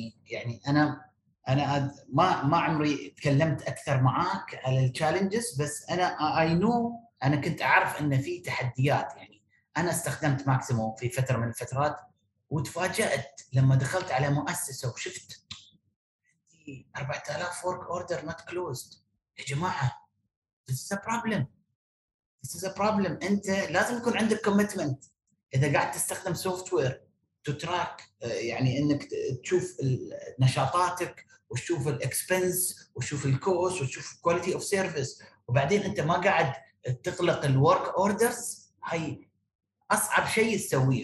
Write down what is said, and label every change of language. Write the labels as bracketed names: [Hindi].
[Arabic] يعني أنا ما عمري تكلمت أكثر معاك على التشالنجز، بس أنا [English] I know، [Arabic] أنا كنت أعرف أن في تحديات. يعني أنا استخدمت ماكسيمو في فترة من الفترات، وتفاجأت لما دخلت على مؤسسة وشفت 4000 [English] work order not closed. [Arabic] يا جماعة [English] this is a problem. [Arabic] أنت لازم يكون عندك commitment إذا قاعد تستخدم [English] software to track، [Arabic] يعني إنك تشوف نشاطاتك وتشوف ال expense وتشوف ال cost وتشوف [English] quality of service، [Arabic] وبعدين أنت ما قاعد تقلق ال [English] work orders، [Arabic] هاي أصعب شيء تسويه.